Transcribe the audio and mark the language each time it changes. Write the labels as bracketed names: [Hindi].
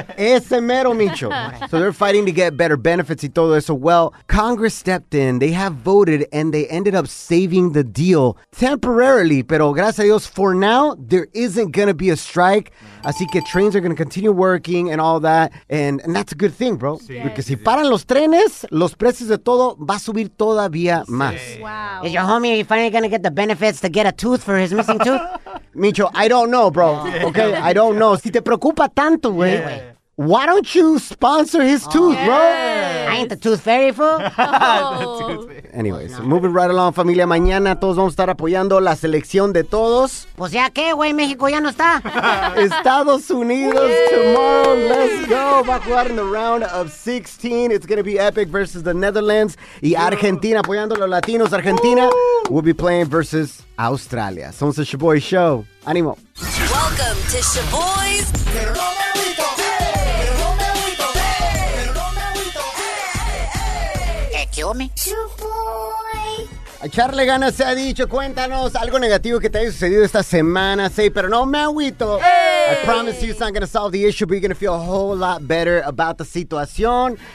[Spanish] Ese mero, [English] Micho. So they're fighting to get better benefits [Spanish] y todo eso. [English] Well, Congress stepped in, they have voted and they ended up saving the deal temporarily, [Spanish] pero gracias a Dios, [English] for now there isn't gonna be a strike. [Spanish] Así que [English] trains are gonna continue working and all that, and that's a good thing, bro. Yes. [Spanish] Porque si paran los trenes, los precios de todo va a subir todavía más. Sí. Wow. [English] Is your homie, are you finally gonna get the benefits to get a tooth for his missing tooth? Micho, I don't know, bro. Okay, I don't know. [Spanish] Si te preocupa tanto, güey. [English] Yeah. Why don't you sponsor his tooth, bro? I ain't the tooth fairy, fool. Anyways, moving right along, familia. [Spanish] Mañana todos vamos a estar apoyando la selección de todos. Pues ya qué, güey, México ya no está. [English] Estados Unidos tomorrow, let's go. [Spanish] Va a jugar [English] in the round of 16. It's going to be epic versus the Netherlands. [Spanish] Y Argentina apoyando a los latinos. Argentina [English] will be playing versus [Spanish] Australia. Somos the Shaboy Show. Animo. [English] Welcome to Shaboy's... [Spanish] A echarle ganas se ha dicho. Cuéntanos algo negativo que te haya sucedido esta semana. Sí, pero no me agüito. [English] Hey. I promise you it's not going to solve the issue, but you're going to feel a whole lot better about the situation.